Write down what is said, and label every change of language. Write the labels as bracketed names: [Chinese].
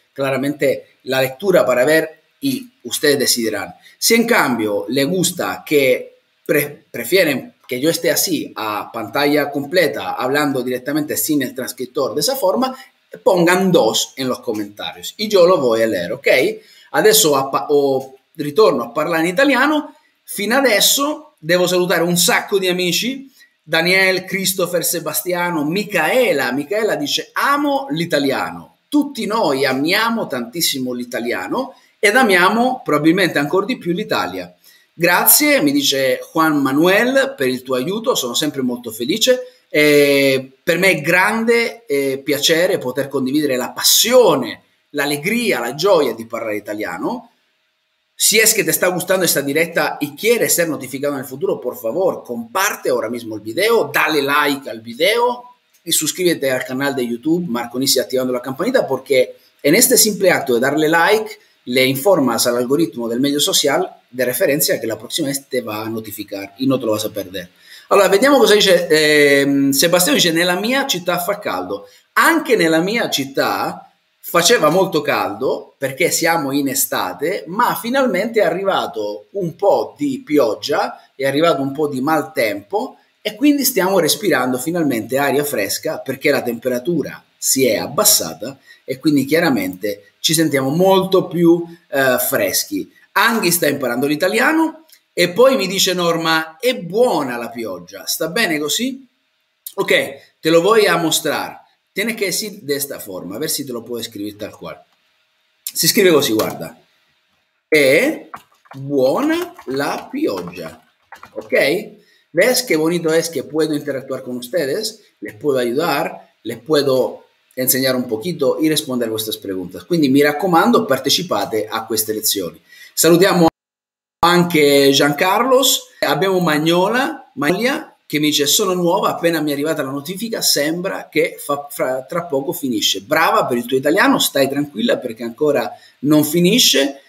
[Spanish] claramente la lectura para ver y ustedes decidirán. Si en cambio le gusta que prefieren que yo esté así a pantalla completa hablando directamente sin el transcriptor de esa forma, pongan dos en los comentarios y yo lo voy a leer, ¿ok? [Italian] Adesso ritorno a parlare in italiano. Fino adesso devo salutare un sacco di amici: Daniel, Christopher, Sebastiano, Micaela. Micaela dice: amo l'italiano. Tutti noi amiamo tantissimo l'italiano ed amiamo probabilmente ancora di più l'Italia. Grazie, mi dice Juan Manuel, per il tuo aiuto, sono sempre molto felice. Per me è grande piacere poter condividere la passione, l'allegria, la gioia di parlare italiano. [Spanish] Si es que te está gustando esta directa y quieres ser notificado en el futuro, por favor, comparte ahora mismo el video, dale like al video y suscríbete al canal de YouTube Marconisi activando la campanita, porque en este simple acto de darle like le informas al algoritmo del medio social de referencia que la próxima vez te va a notificar y no te lo vas a perder. [Italian] Allora, vediamo cosa dice Sebastiano. Dice: nella mia città fa caldo. Anche nella mia città faceva molto caldo perché siamo in estate, ma finalmente è arrivato un po' di pioggia, è arrivato un po' di maltempo e quindi stiamo respirando finalmente aria fresca perché la temperatura si è abbassata e quindi chiaramente ci sentiamo molto più freschi. Anghi sta imparando l'italiano e poi mi dice Norma: è buona la pioggia, sta bene così? [Spanish] Ok, te lo voy a mostrar. Tiene que decir de esta forma, a ver si te lo puedo escribir tal cual. [Italian] Si scrive così, guarda. È buona la pioggia. Ok? [Spanish] ¿Ves qué bonito es que puedo interactuar con ustedes? Les puedo ayudar, les puedo enseñar un poquito y responder vuestras preguntas. [Italian] Quindi mi raccomando, partecipate a queste lezioni. Salutiamo anche Gian Carlos. Abbiamo Magnola, Maglia, che mi dice: sono nuova, appena mi è arrivata la notifica, sembra che tra poco finisce. Brava per il tuo italiano, stai tranquilla perché ancora non finisce.